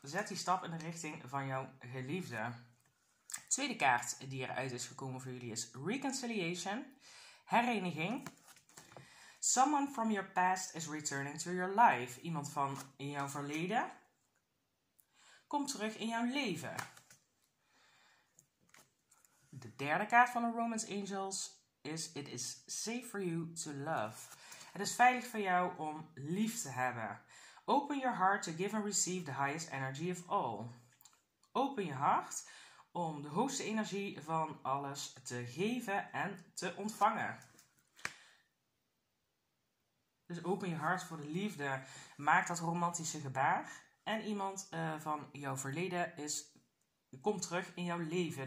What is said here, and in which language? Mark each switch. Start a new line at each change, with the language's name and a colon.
Dutch: Zet die stap in de richting van jouw geliefde. De tweede kaart die eruit is gekomen voor jullie is Reconciliation, hereniging.
English: Someone from your past is returning to your life.
Dutch: Iemand van in jouw verleden komt terug in jouw leven. De derde kaart van de Romans Angels is
English: It is safe for you to love.
Dutch: Het is veilig voor jou om lief te hebben.
English: Open your heart to give and receive the highest energy of all.
Dutch: Open je hart om de hoogste energie van alles te geven en te ontvangen. Dus open je hart voor de liefde. Maak dat romantische gebaar. En iemand van jouw verleden komt terug in jouw leven.